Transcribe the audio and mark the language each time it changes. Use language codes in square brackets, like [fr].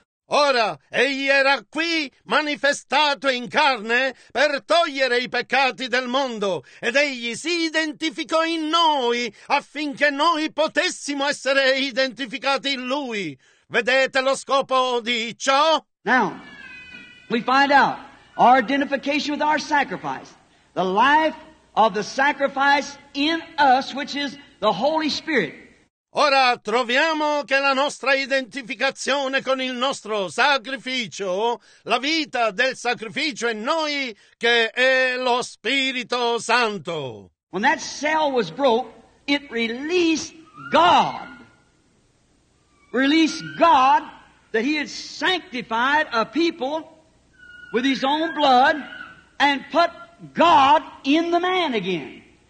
[it] Ora, egli era qui manifestato in carne per togliere i peccati del mondo ed egli si identificò in noi affinché noi potessimo essere identificati in lui. Vedete lo scopo di ciò? [en] Now, we find out our identification with our sacrifice, the life of the sacrifice in us, which is the Holy Spirit. [it] Ora troviamo che la nostra identificazione con il nostro sacrificio, la vita del sacrificio in noi, che è lo Spirito Santo. [en] When that cell was broke, it released God. Released God that he had sanctified a people with his own blood and put God in the man again.